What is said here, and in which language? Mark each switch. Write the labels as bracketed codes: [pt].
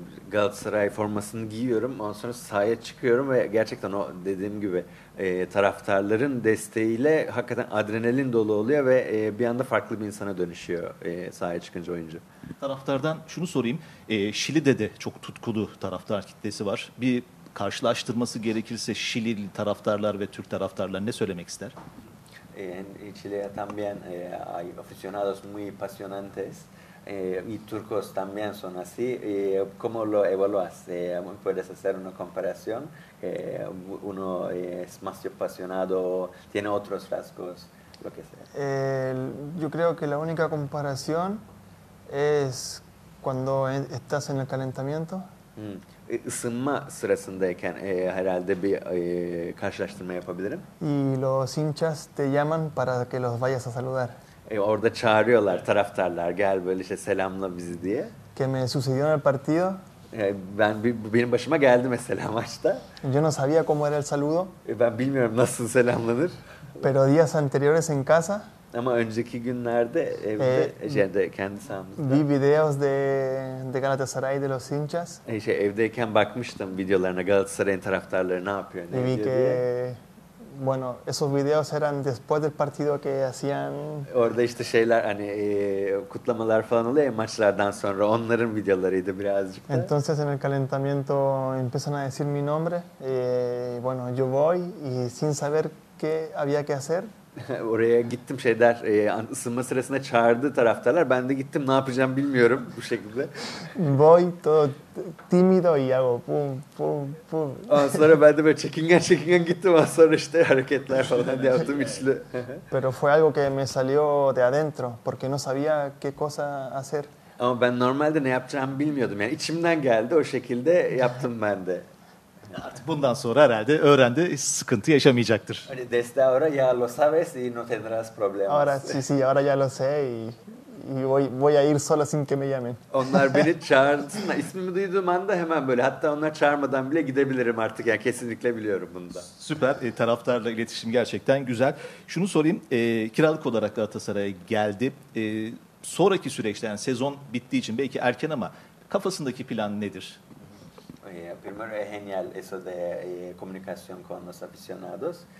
[tr] Galatasaray formasını giyiyorum, ondan sonra sahaya çıkıyorum ve gerçekten o dediğim gibi taraftarların desteğiyle hakikaten adrenalin dolu oluyor ve bir anda farklı bir insana dönüşüyor sahaya çıkınca oyuncu. Taraftardan şunu sorayım, Şili'de de çok tutkulu taraftar kitlesi var. Bir karşılaştırması gerekirse Şili'li taraftarlar ve Türk taraftarlar ne söylemek ister? [es] En Chile también hay aficionados muy apasionantes. Y turcos también son así. ¿Cómo lo evaluas? ¿Puedes hacer una comparación? ¿Uno es más apasionado? ¿Tiene otros rasgos? Lo que sea. Yo creo que la única comparación es cuando estás en el calentamiento. [tr] Isınma sırasındayken herhalde bir karşılaştırma yapabilirim. [es] Y los hinchas te llaman para que los vayas a saludar. [tr] Orada çağırıyorlar taraftarlar, gel böyle işte selamla bizi diye. [es] que me sucedió en el partido. [tr] Benim başıma geldi mesela maçta. [es] Yo no sabía cómo era el saludo. [tr] Ben bilmiyorum nasıl selamlanır. [es] Pero días anteriores en casa. [tr] Ama önceki günlerde evde kendi sahamızda. [es] Vi videos de Galatasaray de los hinchas. [tr] Evdeyken bakmıştım videolarına Galatasaray'ın taraftarları ne yapıyor ne diyor diye. [es] Bueno, esos videos eran después del partido que hacían. [tr] Orada işte şeyler hani kutlamalar falan oluyor ya, maçlardan sonra onların videolarıydı birazcık da. [es] Entonces en el calentamiento empiezan a decir mi nombre. Bueno, yo voy y sin saber qué había que hacer. [tr] Oraya gittim şeyler ısınma sırasında çağırdı taraftarlar. Ben de gittim ne yapacağım bilmiyorum bu şekilde. [es] Voy todo tímido y hago pum pum pum. [tr] Ondan sonra ben de böyle çekingen çekingen gittim. Ondan sonra işte hareketler falan yaptım içli. [es] Pero fue algo que me salió de adentro porque no sabía qué cosa hacer. [tr] Ama ben normalde ne yapacağımı bilmiyordum. Yani içimden geldi o şekilde yaptım ben de. Artık bundan sonra herhalde öğrendi, sıkıntı yaşamayacaktır. [es] Desde ahora ya lo sabes y no tendrás problemas. Ahora sí, sí, ahora ya lo sé y voy a ir solo sin que me llamen. [tr] Onlar beni çağırsın, ismimi duyduğum anda hemen böyle, hatta onlar çağırmadan bile gidebilirim artık, yani kesinlikle biliyorum bunu da. Süper, taraftarla iletişim gerçekten güzel. Şunu sorayım, kiralık olarak Galatasaray'a geldi. Sonraki süreçte, yani sezon bittiği için belki erken ama kafasındaki plan nedir? [es] Primero es genial eso de comunicación con los aficionados.